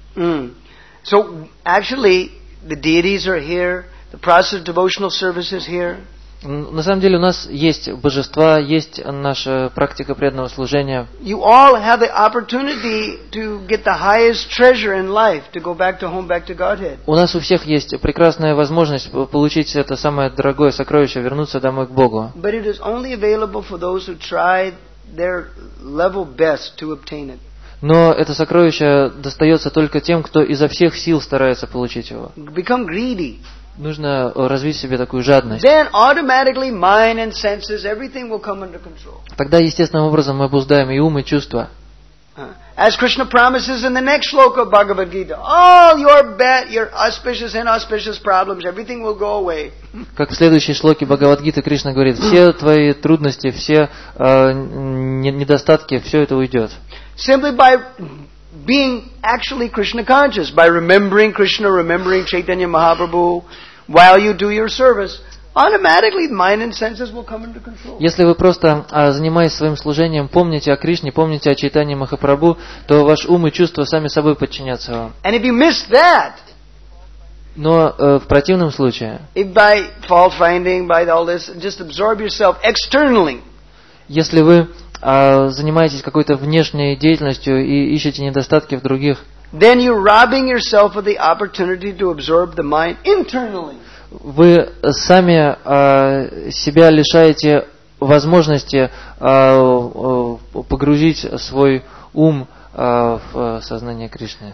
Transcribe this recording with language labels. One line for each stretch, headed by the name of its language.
English: So, actually, the deities are here, the process of devotional service is here.
Russian: На самом деле у нас есть божества, есть наша практика преданного служения.
English: You all have the opportunity to get the highest treasure in life, to go back to home, back to Godhead.
Russian: У нас у всех есть прекрасная возможность получить это самое дорогое сокровище, вернуться домой к Богу.
English: But it is only available for those who try their level best to obtain it.
Russian: Но это сокровище достается только тем, кто изо всех сил старается получить его.
English: Become greedy.
Russian: нужно развить в себе такую жадность.
English: Senses,
Russian: тогда естественным образом мы обуздаем и ум, и чувства.
English: As Krishna promises in the next shloka of Bhagavad Gita, all your bad, your auspicious and inauspicious problems, everything will go away.
Russian: Как в следующей шлоке Бхагавад Гиты Кришна говорит, все твои трудности, все недостатки, все это уйдет.
English: Simply by being actually Krishna conscious, by remembering Krishna, remembering Chaitanya Mahaprabhu, while you do your service. Automatically, mind and senses will come into control.
Russian: Если вы просто занимаясь своим служением, помните о Кришне, помните о Чайтанье Махапрабху, то ваш ум и чувства сами собой подчинятся вам.
English: And if you miss that,
Russian: но в противном случае,
English: if by fault finding, by all this, just absorb yourself externally.
Russian: Если вы занимаетесь какой-то внешней деятельностью и ищете недостатки в других,
English: then you're robbing yourself of the opportunity to absorb the mind internally.
Russian: Вы сами себя лишаете возможности погрузить свой ум в сознание Кришны.